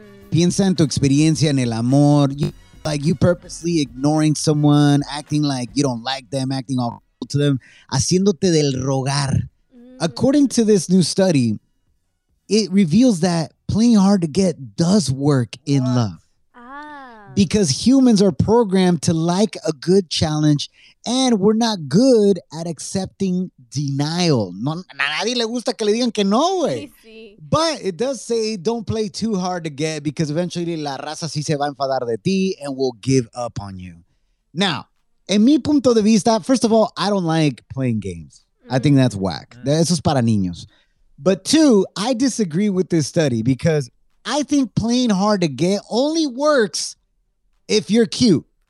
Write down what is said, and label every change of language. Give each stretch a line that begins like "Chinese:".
Spanish: Piensa en tu experiencia en el amor.
English: You purposely ignoring someone, acting like you don't like them, acting all cool to them,
Spanish: haciéndote del rogar.
English: According to this new study, it reveals that playing hard to get does work in love. Because humans are programmed to like a good challenge, and we're not good at accepting denial.
Spanish: No, a nadie le gusta que le digan que no, güey.
English: But it does say don't play too hard to get because eventually
Spanish: la raza sí se va a enfadar de ti
English: and will give up on you. Now,
Spanish: en mi punto de vista,
English: first of all, I don't like playing games. I think that's whack.
Spanish: Eso es para niños.
English: But two, I disagree with this study because I think playing hard to get only works if you're cute.